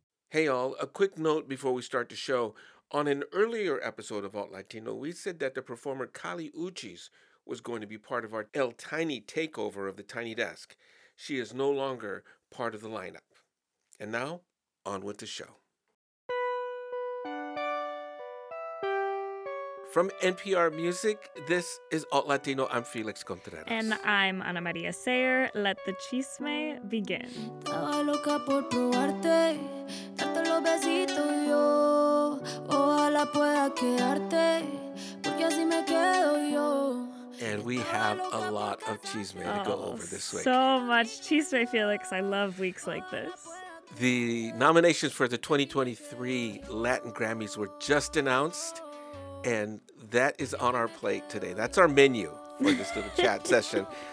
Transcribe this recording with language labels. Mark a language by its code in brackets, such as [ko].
[en] Hey, all, a quick note before we start the show. On an earlier episode of Alt Latino, we said that the performer Kali Uchis was going to be part of our El Tiny takeover of the Tiny Desk. She is no longer part of the lineup. And now, on with the show. From NPR Music, this is Alt Latino. I'm Felix Contreras. And I'm Ana Maria Sayer. Let the chisme begin. [es] Estaba loca por probarte, darte los besitos yo. Ojalá pueda quedarte, porque así me quedo yo. [en] And we have a lot of chisme to go over this week. So much chisme, Felix. I love weeks like this. The nominations for the 2023 Latin Grammys were just announced, and that is on our plate today. That's our menu for this little chat session.